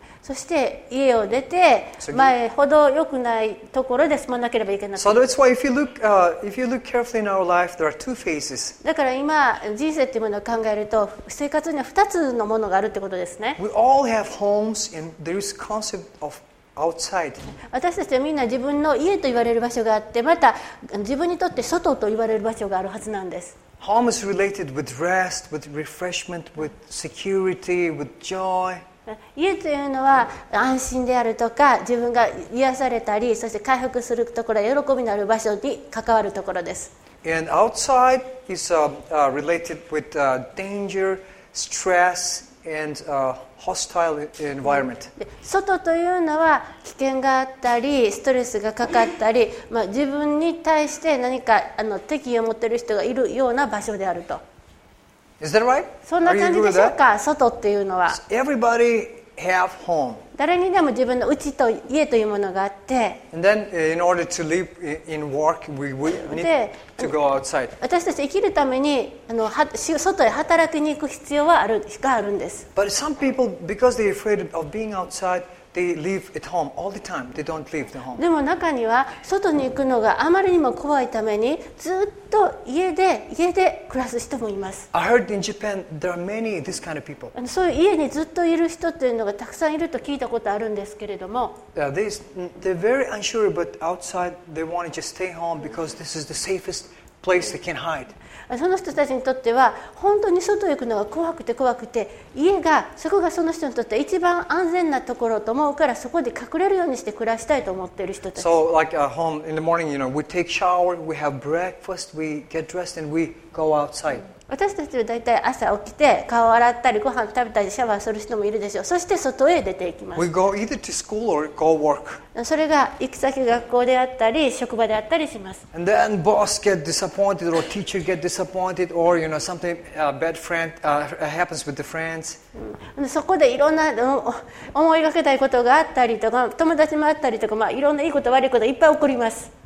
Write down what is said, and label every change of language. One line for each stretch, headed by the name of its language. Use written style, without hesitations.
Japanese: そして家を出て前ほど良くないところで住まなければいけなかった。
English: So that's why if you look carefully in our life, there are two phases.
Japanese: だから今人生というものを考えると生活には2つのものがあるってことですね。
English: We all have homes and there is concept of outside.
Japanese: 私たちはみんな自分の家と言われる場所があってまた自分にとって外と言われる場所があるはずなんです。
English: Home is related with rest, with refreshment, with security, with joy.
Japanese: 家というのは安心であるとか、自分が癒されたり、そして回復するところ、喜びのある場所に関わるところです。
English: And outside is related with danger, stress, and hostile environment.
Japanese: 外というのは危険があったり、ストレスがかかったり、まあ、自分に対して何かあの敵意を持っている人がいるような場所であると。
English: Is that right?
Japanese: そんな感じでしょうか、外っていうのは。
English: So、everybody have home.
Japanese: 誰にでも自分の家と家というものがあって。
English: And then in order to live in work, we need to go outside.
Japanese: 私たち生きるためにあの外へ働きに行く必要はある、しかあるんです。
English: But some people, because they're afraid of being outside,They live at home all the time. They don't leave the home.
Japanese: でも中には外に行くのがあまりにも怖いためにずっと家で暮らす人もいます。
English: I heard in Japan there are many this kind of people.
Japanese: そういう家にずっといる人というのがたくさんいると聞いたことあるんですけれども。
English: Yeah, they're very unsure, but outside they want to just stay home because this is the safest. place they can hide.
Japanese: その人たちにとっては本当に外へ行くのが怖くて怖くて、家がそこがその人にとって一番安全なところと思うから、そこで隠れるようにして暮らしたいと思っている人たち。
English: So like at home in the morning, you know, we take shower, we have breakfast, we get dressed, and we go outside.
Japanese: 私たちはだいたい朝起きて顔を洗ったりご飯食べたりシャワーする人もいるでしょう。そして外へ出ていきます。
English: We go either to school or go work.
Japanese: それが行き先学校であったり職場であったりします。
English: And then boss get disappointed or teacher get disappointed or you know something bad friend happens with the friends.
Japanese: そこでいろんな思いがけないことがあったりとか、友達もあったりとか、まあ、いろんないいこと悪いこといっぱい起こります。